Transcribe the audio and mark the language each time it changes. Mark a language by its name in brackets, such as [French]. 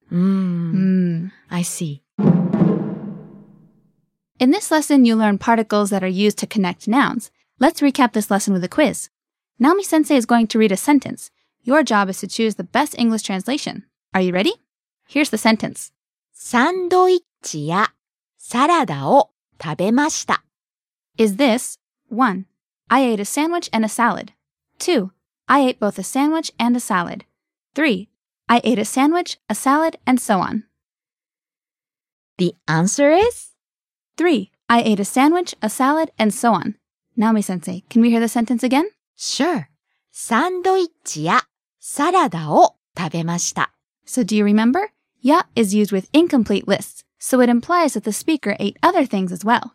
[English] Mm, I see. In this lesson, you learn particles that are used to connect nouns. Let's recap this lesson with a quiz. Naomi-sensei is going to read a sentence. Your job is to choose the best English translation. Are you ready? Here's the sentence. [Japanese] サンドイッチやサラダを食べました。 [English] Is this 1. I ate a sandwich and a salad. 2. I ate both a sandwich and a salad. 3. I ate a sandwich, a salad, and so on. The answer is 3. I ate a sandwich, a salad, and so on. Naomi-sensei, can we hear the sentence again? Sure. [Japanese] サンドイッチやサラダを食べました。 [English] So do you remember? や is used with incomplete lists, so it implies that the speaker ate other things as well.